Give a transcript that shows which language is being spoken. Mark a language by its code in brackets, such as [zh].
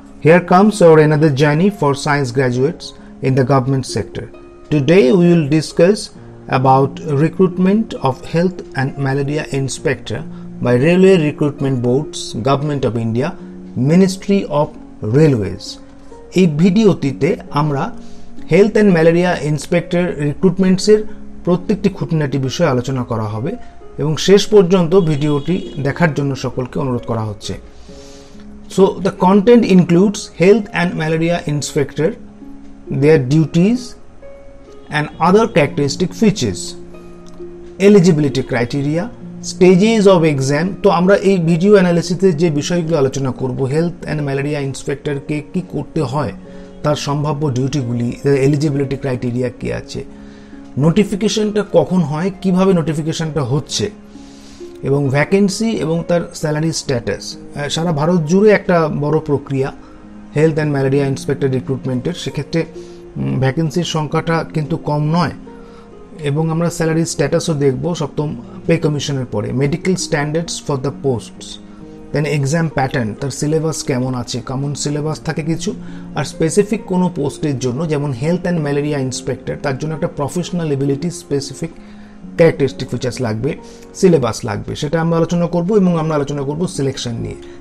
[en] Here comes our another journey for science graduates in the government sector. Today we will discuss about recruitment of health and malaria inspector by Railway Recruitment Boards, Government of India, Ministry of Railways. [bn] এই ভিডিওতে আমরা health and malaria inspector রিক্রুটমেন্টসের প্রত্যেকটি খুঁটিনাটি বিষয়ে আলোচনা করা হবে এবং শেষ পর্যন্ত ভিডিওটি দেখার জন্য সকলকে অনুরোধ করা হচ্ছে। [en] So the content includes health and malaria inspector, their duties and other characteristic features, eligibility criteria, stages of exam. [bn] So amra ei video analysis e je bishoy gulo alochona korbo, health and malaria inspector ke ki korte hoy, tar shombhabbo duty guli, eligibility criteria ki ache, notification ta kokhon hoy, kibhabe notification ta hocche, এবং vacancy এবং তার salary status, সারা ভারত জুড়ে একটা বড় প্রক্রিয়া health and malaria inspector রিক্রুটমেন্টের। সেক্ষেত্রে ভ্যাকেন্সির সংখ্যাটা কিন্তু কম নয় এবং আমরা স্যালারি স্ট্যাটাসও দেখব সপ্তম পে কমিশনের পরে। [en] medical standards for the posts, then exam pattern, [bn] তার সিলেবাস কেমন আছে, কমন সিলেবাস থাকে কিছু, আর স্পেসিফিক কোনো পোস্টের জন্য যেমন হেলথ অ্যান্ড ম্যালেরিয়া ইন্সপেক্টর তার জন্য একটা professional ability specific characteristic features লাগবে, সিলেবাস লাগবে, সেটা আমরা আলোচনা করব এবং আমরা আলোচনা করব সিলেকশন নিয়ে।